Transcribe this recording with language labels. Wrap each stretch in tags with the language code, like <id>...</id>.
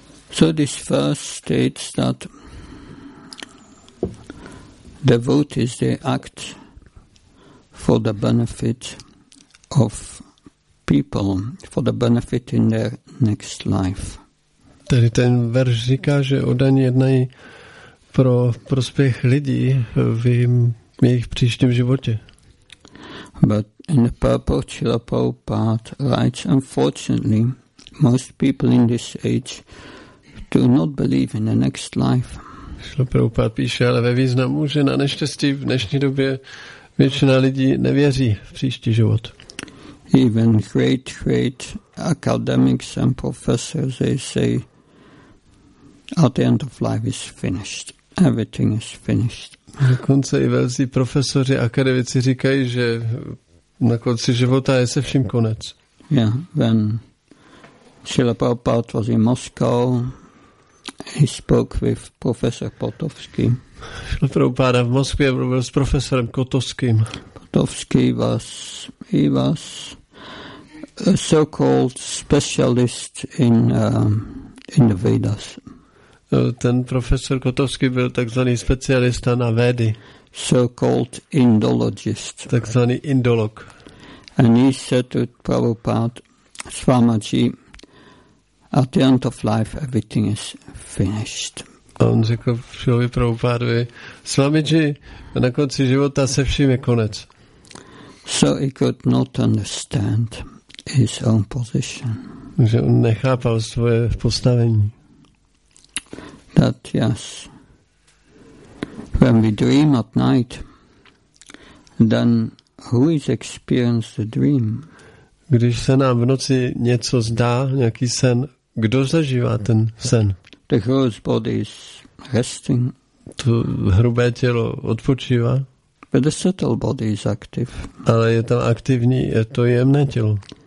<en>So this verse states that devotees, they act for the benefit of people, for the benefit in their next life.</en> <cs>Tady ten verš říká, že oddaní jednají pro prospěch lidí v jejich příštím životě.</cs> <en>But in the purport, Srila Prabhupada writes, unfortunately, most people in this age do not believe in the next life.</en> <cs>Srila Prabhupada píše, ale ve významu, že na neštěstí v dnešní době většina lidí nevěří v příští život.</cs> <en>Even great academics and professors, they say, at the end of life is finished. Everything is finished.</en> <cs>Dokonce i velcí profesoři, akademici říkají, že na konci života je se vším konec.</cs> <en>Yeah, when Srila Prabhupada was in Moscow, he spoke with Professor Potofsky.</en> <cs>Srila Prabhupada v Moskvě mluvil s profesorem Kotovským.</cs> <en>Potofsky was, he was a so-called specialist in the Vedas.</en> <cs>Ten profesor Kotovský byl takzvaný specialista na Vedy.</cs> <en>So-called Indologist.</en> <cs>Takzvaný Indolog.</cs> <en>And he said to Prabhupada, Swamiji, at the end of life everything is finished.</en> <cs>A on řekl Šilovi Prabhupádovi, Swamiji, na konci života se vším je konec.</cs> <en>So he could not understand his own position.</en> <cs>Že on nechápal svoje postavení.</cs> <en>That yes, when we dream at night, then who is experiencing the dream?</en> <cs>Když se nám v noci něco zdá, nějaký sen, kdo zažívá ten sen?</cs> <en>The gross body is resting.</en> <cs>To hrubé tělo odpočívá.</cs> <en>But the subtle body is active.</en> <cs>Ale je tam aktivní, je to jemné tělo.</cs>